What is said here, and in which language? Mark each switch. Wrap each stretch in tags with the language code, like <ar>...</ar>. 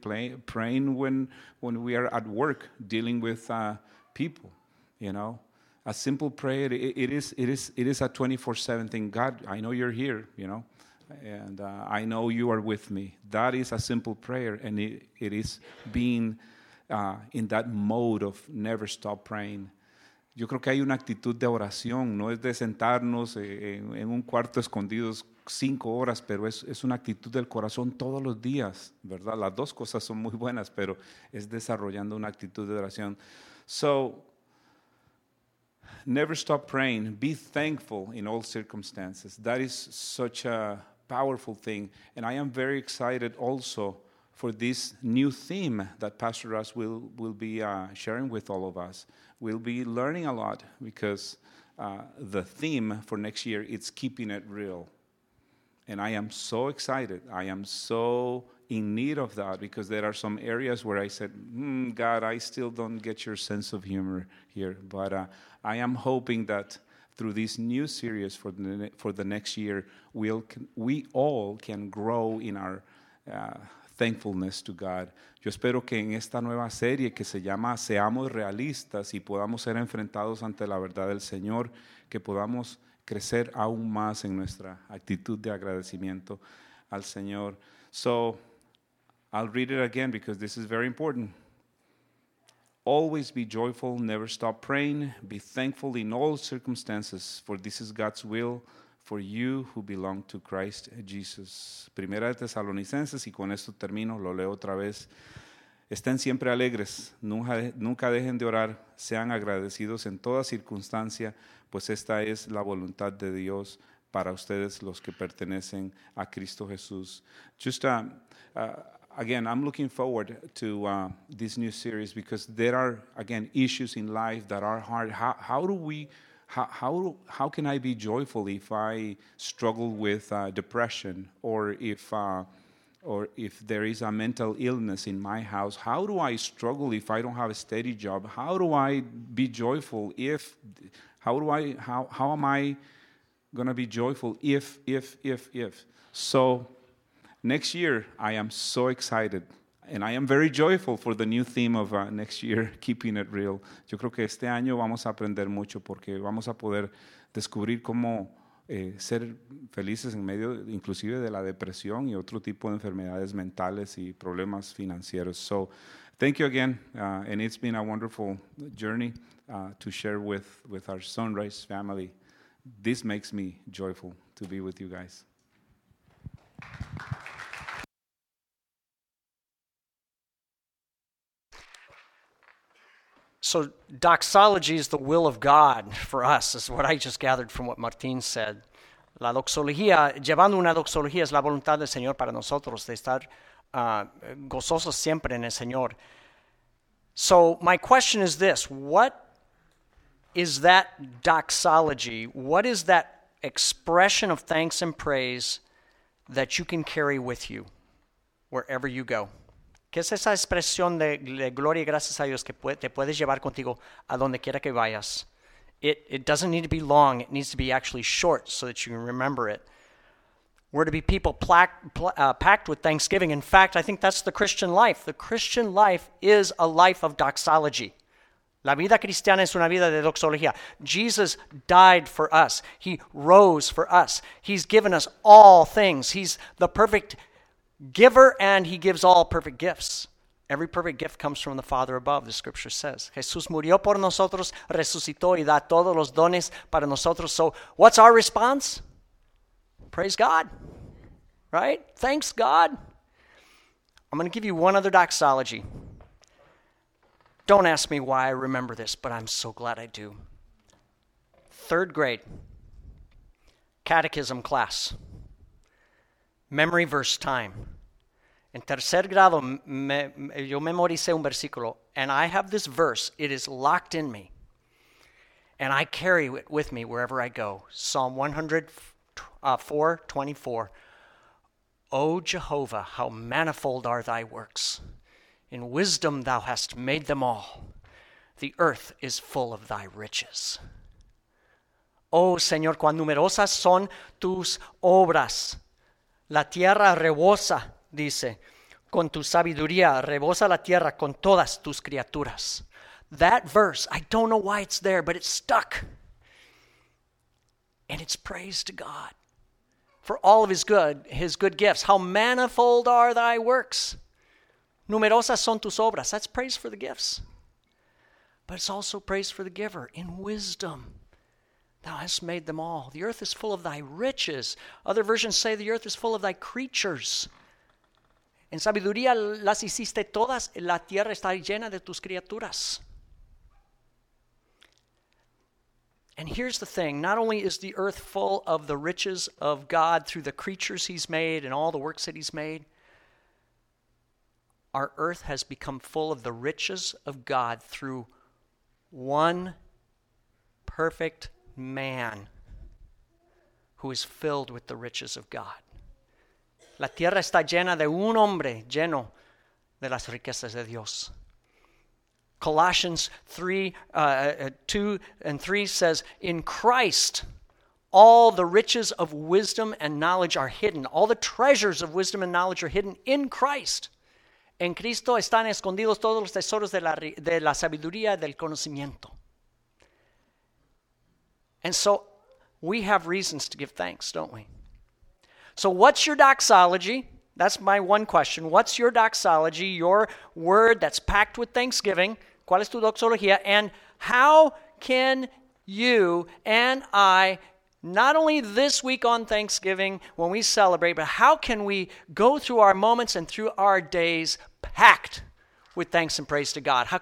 <en>Praying when we are at work dealing with people, you know. A simple prayer, it is a 24/7 thing. God, I know you're here, you know. And I know you are with me. That is a simple prayer, and it is being in that mode of never stop praying.</en> <es>Yo creo que hay una actitud de oración, no es de sentarnos en un cuarto escondidos 5 horas, pero es una actitud del corazón todos los días, ¿verdad? Las dos cosas son muy buenas, pero es desarrollando una actitud de oración.</es> <en>So, never stop praying. Be thankful in all circumstances. That is such a powerful thing. And I am very excited also for this new theme that Pastor Russ will be sharing with all of us. We'll be learning a lot because the theme for next year, it's keeping it real. And I am so excited. I am so in need of that because there are some areas where I said, God, I still don't get your sense of humor here. But I am hoping that through this new series for the next year, we all can grow in our thankfulness to God.</en> <es>Yo espero que en esta nueva serie que se llama Seamos Realistas y podamos ser enfrentados ante la verdad del Señor, que podamos crecer aún más en nuestra actitud de agradecimiento al Señor.</es> <en>So, I'll read it again because this is very important. Always be joyful, never stop praying, be thankful in all circumstances, for this is God's will for you who belong to Christ Jesus.</en> <es>Primera de Tesalonicenses, y con esto termino, lo leo otra vez. Estén siempre alegres, nunca dejen de orar, sean agradecidos en toda circunstancia, pues esta es la voluntad de Dios para ustedes los que pertenecen a Cristo Jesús.</es> <en>Just again, I'm looking forward to this new series because there are, again, issues in life that are hard. How can I be joyful if I struggle with depression or if there is a mental illness in my house? How do I struggle if I don't have a steady job? How do I be joyful if... How am I going to be joyful if? So next year, I am so excited. And I am very joyful for the new theme of next year, keeping it real.</en> <es>Yo creo que este año vamos a aprender mucho porque vamos a poder descubrir cómo ser felices en medio, inclusive, de la depresión y otro tipo de enfermedades mentales y problemas financieros.</es> <en>So thank you again. And it's been a wonderful journey. To share with our Sunrise family. This makes me joyful to be with you guys. So doxology is the will of God for us, is what I just gathered from what Martin said.</en> <es>La doxología, llevando una doxología, es la voluntad del Señor para nosotros, de estar gozosos siempre en el Señor.</es> <en>So my question is this, what is that doxology? What is that expression of thanks and praise that you can carry with you wherever you go?</en> <es>¿Qué es esa expresión de gloria y gracias a Dios que te puedes llevar contigo a donde quiera que vayas?</es> <en>It doesn't need to be long. It needs to be actually short so that you can remember it. We're to be people packed with thanksgiving. In fact, I think that's the Christian life. The Christian life is a life of doxology.</en> <es>La vida cristiana es una vida de doxología.</es> <en>Jesus died for us. He rose for us. He's given us all things. He's the perfect giver, and he gives all perfect gifts. Every perfect gift comes from the Father above, the scripture says.</en> <es>Jesús murió por nosotros, resucitó y da todos los dones para nosotros.</es> <en>So what's our response? Praise God. Right? Thanks God. I'm going to give you one other doxology. Don't ask me why I remember this, but I'm so glad I do. Third grade, catechism class, memory verse time.</en> <es>En tercer grado, yo memoricé un versículo,</es> <en>and I have this verse. It is locked in me, and I carry it with me wherever I go. Psalm 104:24. O Jehovah, how manifold are thy works. In wisdom thou hast made them all. The earth is full of thy riches.</en> <es>Oh, Señor, cuán numerosas son tus obras. La tierra rebosa, dice, con tu sabiduría rebosa la tierra con todas tus criaturas.</es> <en>That verse, I don't know why it's there, but it's stuck. And it's praise to God for all of his good gifts. How manifold are thy works.</en> <es>Numerosas son tus obras.</es> <en>That's praise for the gifts. But it's also praise for the giver in wisdom. Thou hast made them all. The earth is full of thy riches. Other versions say the earth is full of thy creatures.</en> <es>En sabiduría las hiciste todas. La tierra está llena de tus criaturas.</es> <en>And here's the thing. Not only is the earth full of the riches of God through the creatures he's made and all the works that he's made, our earth has become full of the riches of God through one perfect man who is filled with the riches of God.</en> <es>La tierra está llena de un hombre lleno de las riquezas de Dios.</es> <en>Colossians 2:3 says, in Christ, all the riches of wisdom and knowledge are hidden. All the treasures of wisdom and knowledge are hidden in Christ.</en> <es>En Cristo están escondidos todos los tesoros de la sabiduría del conocimiento.</es> <en>And so we have reasons to give thanks, don't we? So what's your doxology? That's my one question. What's your doxology, your word that's packed with thanksgiving?</en> <es>¿Cuál es tu doxología?</es> <en>And how can you and I, not only this week on Thanksgiving when we celebrate, but how can we go through our moments and through our days packed with thanks and praise to God?</en>